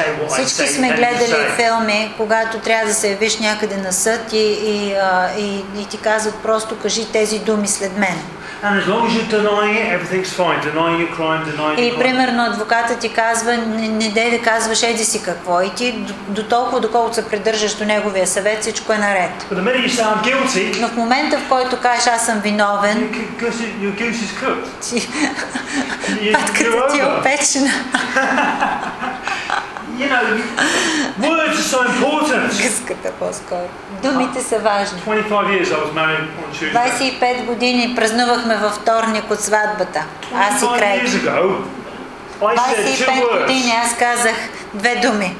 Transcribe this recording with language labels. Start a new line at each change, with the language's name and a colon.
Bulgarian: Всички сме гледали филми, когато трябва да се явиш някъде на съд и ти казват просто кажи тези думи след мен.
English: And as long as you're denying it, everything's fine. Denying your crime, denying your
Bulgarian: И примерно адвокатът ти казва, не дей да казваш еди си какво. И ти до толкова, доколкото се придържаш до неговия съвет, всичко е наред.
English: But the minute you say I'm guilty,
Bulgarian: но в момента, в който кажеш аз съм виновен,
English: your goose is cooked.
Bulgarian: Патката ти е опечена.
English: You know, words are so important.
Bulgarian: Гъската по-скоро. Думите са важни.
English: 25 years I was married on Tuesday.
Bulgarian: 25 години празнувахме във вторник от сватбата. Аз и Крейг. 25 години аз казах две думи.